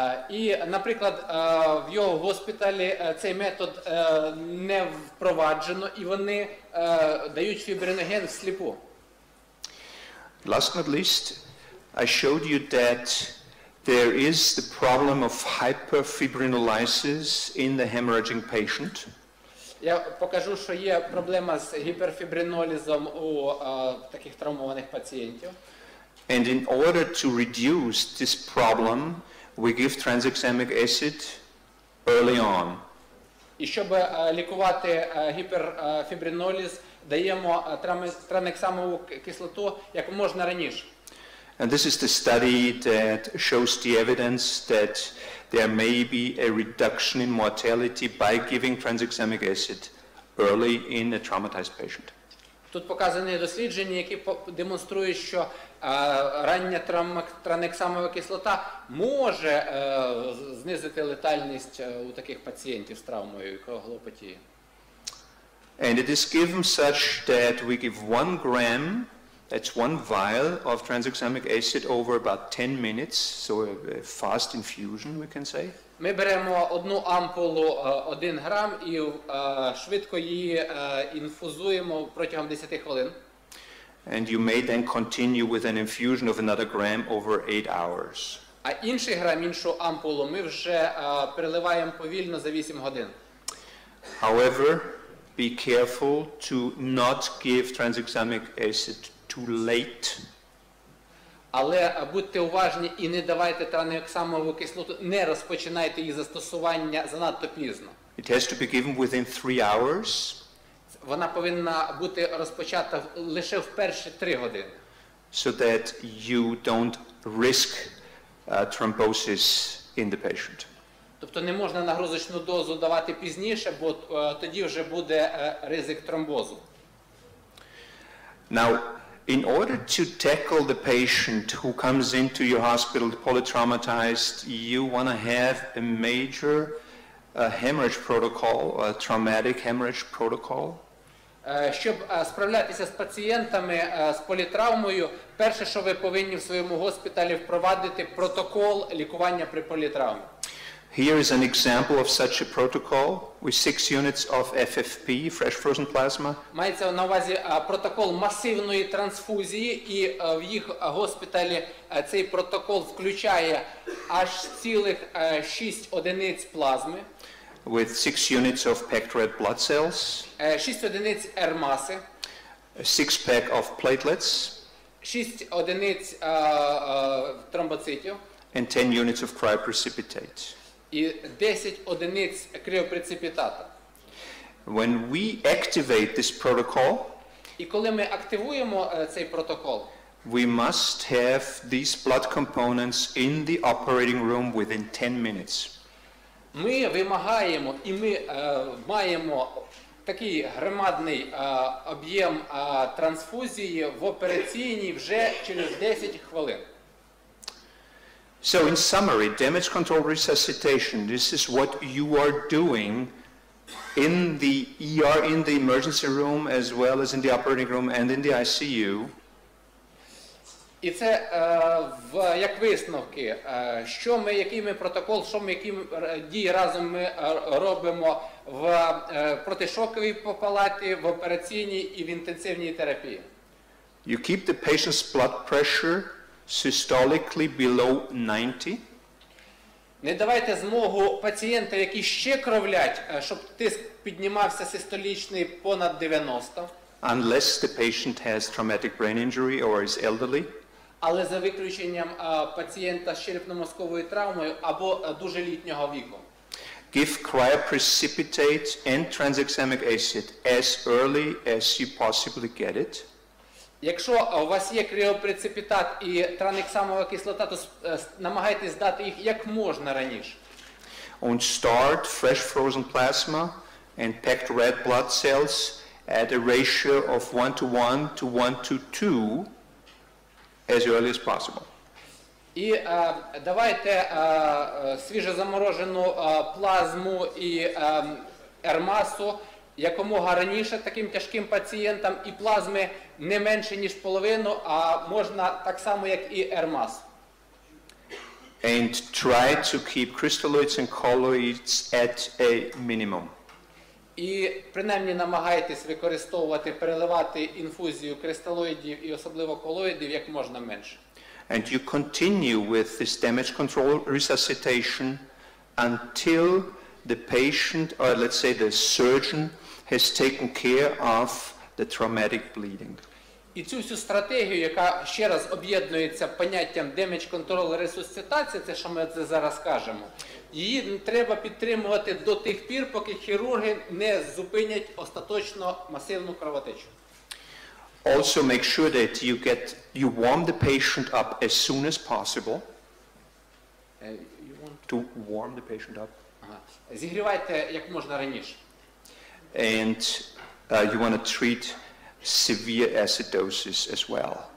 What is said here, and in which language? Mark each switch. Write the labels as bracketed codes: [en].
[uk] І, наприклад, в його госпіталі цей метод не впроваджено, і вони дають фібриноген всліпу. [en] Last but not least, I showed you that there is the problem of hyperfibrinolysis in the hemorrhaging patient. [uk] Я покажу, що є проблема з гіперфібринолізом у таких травмованих пацієнтів. [en] And in order to reduce this problem, we give transexamic acid early on. [uk] І щоб лікувати гіперфібринолиз, даємо транексамову кислоту як можна раніше. [en] And this is the study that shows the evidence that there may be a reduction in mortality by giving transexamic acid early in a traumatized patient. [uk] Тут показані дослідження, які демонструють, що рання транексамова кислота може знизити летальність у таких пацієнтів з травмою і коагулопатією. [en] And it is given such that we give 1 gram, that's 1 vial of transexamic acid over about 10 minutes, so a fast infusion, we can say. [uk] Ми беремо одну ампулу 1 грам і швидко її інфузуємо протягом 10 хвилин. [en] And you may then continue with an infusion of another gram over 8 hours. [uk] А інший грам, іншу ампулу, ми вже переливаємо повільно за 8 годин. [en] However, be careful to not give transexamic acid too late. [uk] Але будьте уважні і не давайте транексамову кислоту, не розпочинайте її застосування занадто пізно. [en] It has to be given within 3 hours. [uk] Вона повинна бути розпочата лише в перші 3 години. [en] So that you don't risk thrombosis in the patient. [uk] Тобто не можна нагрузочну дозу давати пізніше, бо тоді вже буде ризик тромбозу. [en] Now, In order to tackle the patient who comes into your hospital polytraumatized, you want to have a major hemorrhage protocol, a traumatic hemorrhage protocol? [uk] Щоб справлятися з пацієнтами з політравмою, перше, що ви повинні в своєму госпіталі впровадити, протокол лікування при політравмі. [en] Here is an example of such a protocol with 6 units of FFP, fresh frozen plasma. [uk] Мається на увазі протокол масивної трансфузії, і в їх госпіталі цей протокол включає аж цілих 6 одиниць плазми. [en] With 6 units of packed red blood cells. [uk] 6 одиниць R-маси. [en] 6 pack of platelets. [uk] 6 одиниць тромбоцитів. [en] And 10 units of cryoprecipitate. [uk] І 10 одиниць криопреципітату. [en] When we activate this protocol, [uk] і коли ми активуємо цей протокол, [en] we must have these blood components in the operating room within 10 minutes. [uk] Ми вимагаємо і ми маємо такий громадний об'єм трансфузії в операційній вже через 10 хвилин. [en] So in summary, damage control resuscitation, this is what you are doing in the ER, in the emergency room, as well as in the operating room and in the ICU. [uk] І це в як висновки, що ми, який ми протокол, що ми, які дії разом ми робимо в протишоковій палаті, в операційній і в інтенсивній терапії. [en] You keep the patient's blood pressure systolically below 90. [uk] Не давайте змогу пацієнта, які ще кровлять, щоб тиск піднімався систолічний понад 90. [en] Unless the patient has traumatic brain injury or is elderly. [uk] Але за виключенням пацієнта з черепно-мозковою травмою або дуже літнього віку. [en] Give cryoprecipitate and transexamic acid as early as you possibly get it. [uk] Якщо у вас є криопрецепітат і транексамова кислота, то намагайтесь дати їх як можна раніше. [en] And start fresh frozen plasma and packed red blood cells at a ratio of 1:1 to 1:2 as early as possible. [uk] І давайте свіжозаморожену плазму і ермасу якомога раніше таким тяжким пацієнтам, і плазми не менше, ніж половину, а можна так само, як і ермас. [en] And try to keep crystalloids and colloids at a minimum. [uk] І принаймні намагайтесь використовувати, переливати інфузію кристалоїдів і особливо колоїдів як можна менше. [en] And you continue with this damage control resuscitation until the patient, or let's say the surgeon, has taken care of the traumatic bleeding. [uk] І цю всю стратегію, яка ще раз об'єднується поняттям [en] damage control resuscitation, [uk] це що ми це зараз кажемо, її треба підтримувати до тих пір, поки хірурги не зупинять остаточно масивну кровотечу. [en] Also make sure that you warm the patient up as soon as possible. To warm the patient up. [uk] Зігрівайте як можна раніше. [en] And you want to treat severe acidosis as well.